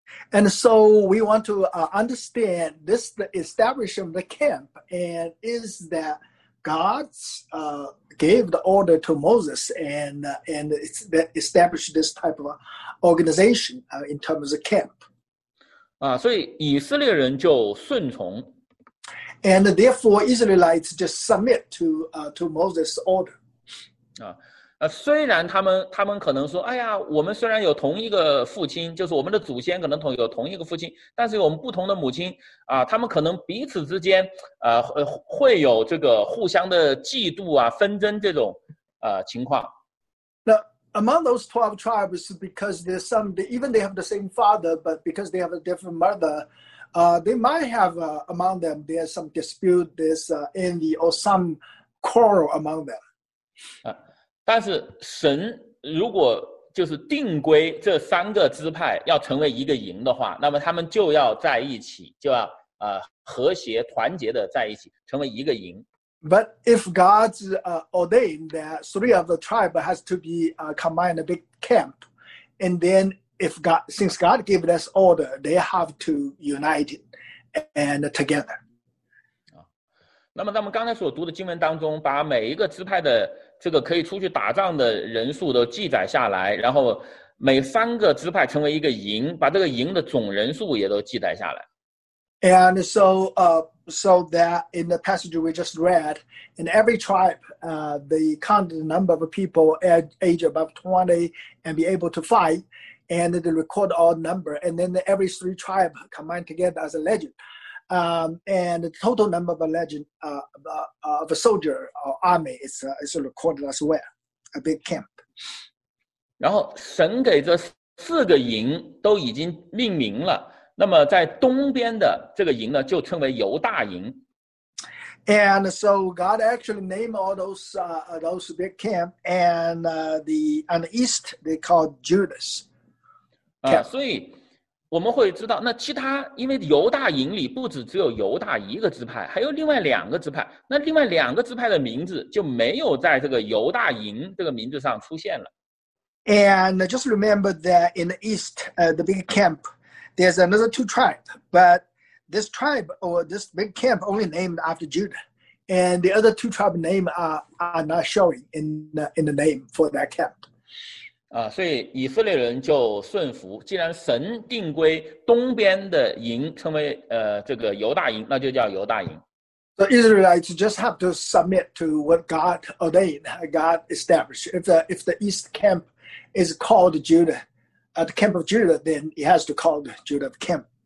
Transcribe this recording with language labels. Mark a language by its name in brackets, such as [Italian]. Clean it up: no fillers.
[English] And so we want to understand this the establishment of the camp and is that God's gave the order to Moses and it's that established this type of organization in terms of the camp. [Chinese] 所以以色列人就顺从。 [English] And therefore, Israelites just submit to Moses' order. [Chinese] 虽然他们可能说，哎呀，我们虽然有同一个父亲，就是我们的祖先可能有同一个父亲，但是我们不同的母亲他们可能彼此之间会有这个互相的嫉妒啊、纷争这种情况。 [English] Now, among those 12 tribes, because there's some, even they have the same father, but because they have a different mother. They might have among them there's some dispute, there's envy or some quarrel among them. [Chinese] 但是神如果就是定规这三个支派要成为一个营的话，那么他们就要在一起，就要和谐团结的在一起，成为一个营。 [English] But if God ordained that three of the tribe has to be combined a big camp, and then. If God, since God gave this order, they have to unite and together. [Chinese] 那么，咱们刚才所读的经文当中，把每一个支派的这个可以出去打仗的人数都记载下来，然后每三个支派成为一个营，把这个营的总人数也都记载下来。 [English] And so, so that in the passage we just read, in every tribe, the count the number of people age above 20 and be able to fight. And they record all number, and then every three tribe combined together as a legend. And the total number of a legend of a soldier or army is recorded as well, a big camp. [Chinese] 然后神给这四个营都已经命名了，那么在东边的这个营呢，就称为犹大营。 [English] And so God actually named all those big camp, and the on the east they called Judas. [Chinese] 所以我们会知道，那其他因为犹大营里不止只有犹大一个支派，还有另外两个支派。那另外两个支派的名字就没有在这个犹大营这个名字上出现了。 [English] And just remember that in the east, the big camp, there's another two tribe, but this tribe or this big camp only named after Judah, and the other two tribe name are not showing in the name for that camp. [Chinese] 所以以色列人就顺服，既然神定规东边的营称为这个犹大营，那就叫犹大营。 [English] So Israelites just have to submit to what God ordained, God established. If the east camp is called Judah, the camp of Judah, then it has to call Judah camp.